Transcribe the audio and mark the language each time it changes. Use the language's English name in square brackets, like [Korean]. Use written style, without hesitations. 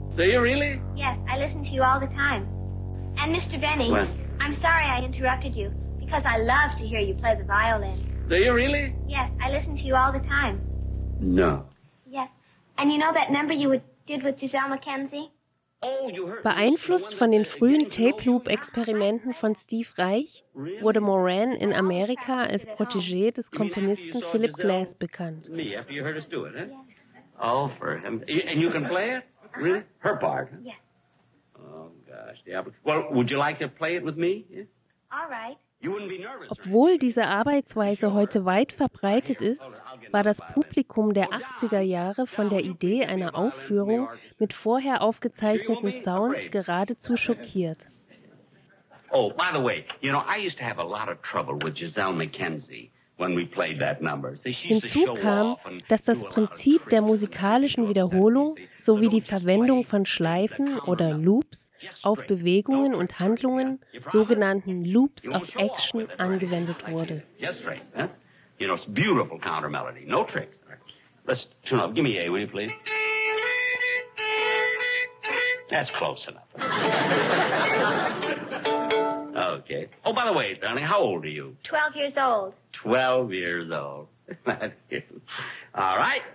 [English] Do you really? Yes, I listen to you all the time. And Mr. Benny, what? I'm sorry I interrupted you. Because I love to hear you play the violin. Do you really? Yes, I listen to you all the time. No. And you know that number you did with Giselle McKenzie? [German] Beeinflusst von den frühen Tape Loop Experimenten von Steve Reich wurde Moran in Amerika als Protégé des Komponisten Philip Glass bekannt. [English] Me, after you heard us do it, eh? Yeah. Oh, for him. And you can play it? Really? Her part? Yeah. Oh gosh. Yeah. Well, would you like to play it with me? Yeah. All right. [German] Obwohl diese Arbeitsweise heute weit verbreitet ist, war das Publikum der 80er Jahre von der Idee einer Aufführung mit vorher aufgezeichneten Sounds geradezu schockiert. [English] Oh, by the way, you know, I used to have a lot of trouble with Giselle McKenzie. [German] Hinzu kam, dass das Prinzip der musikalischen Wiederholung sowie die Verwendung von Schleifen oder Loops auf Bewegungen und Handlungen, sogenannten Loops of Action, angewendet wurde. [English] You know, it's beautiful counter melody, no tricks. Let's tune up. Give me A, will you please? That's close enough. Okay. Oh, by the way, darling, how old are you? 12 years old. 12 years old. All right.